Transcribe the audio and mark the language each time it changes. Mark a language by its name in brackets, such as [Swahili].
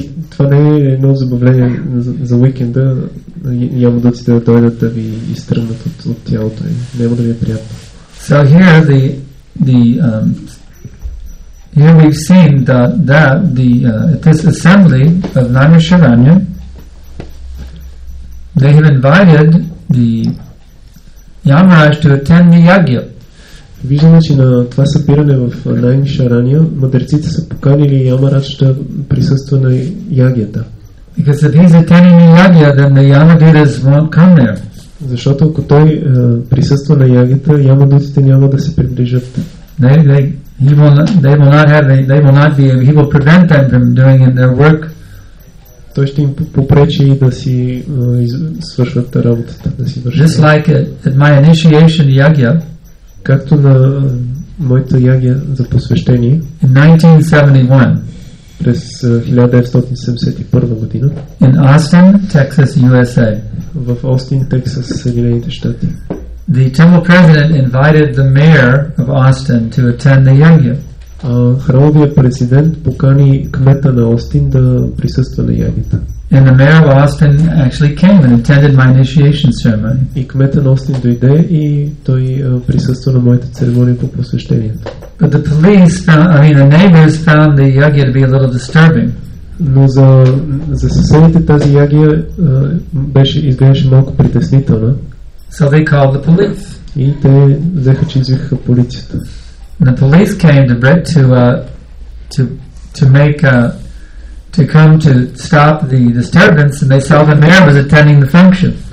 [Bulgarian] Това не е едно забавление за уикенда, Yamadutas да дойдат да ви изтръгнат от тялото и няма да ви е приятно. [English] So here the here we've seen that this assembly of Narasimha, they have invited the Yamaraj to attend the yagya. [Bulgarian] Виждаме, че на това събиране в Найнишаранья мъдреците са поканили Ямарадж да присъства на ягията. [English] Because if he's attending the yagya, then the Yamadutas won't come there. [Bulgarian] Защото ако той присъства на ягията, Ямадутите няма да се приближат. [English] He will prevent them from doing their work. [Bulgarian] Той ще им попречи да си свършват работата, да си вършат. [English] Just like at my initiation yagya, [Bulgarian] както на моята ягия за посвещение, [English] in 1971, [Bulgarian] през 1971 година, [English] in Austin, Texas, USA, [Bulgarian] в Austin, Texas, Съединените щати, [English] the temple president invited the mayor of Austin to attend the yagya. [Bulgarian] Храмовия президент покани кмета на Остин да присъства на ягията. [English] And the mayor of Austin actually came and attended my initiation ceremony. [Bulgarian] И кмета на Остин дойде и той присъства на моята церемония по посвещението. [English] But the police found, the neighbors found the yagya to be a little disturbing. [Bulgarian] Но за съседите тази ягия изглеждаше малко притеснителна. [English] So they called the police. [Bulgarian] И те взеха, че извикаха полицията. [English] The police came to stop the disturbance, and they saw the mayor was attending the function.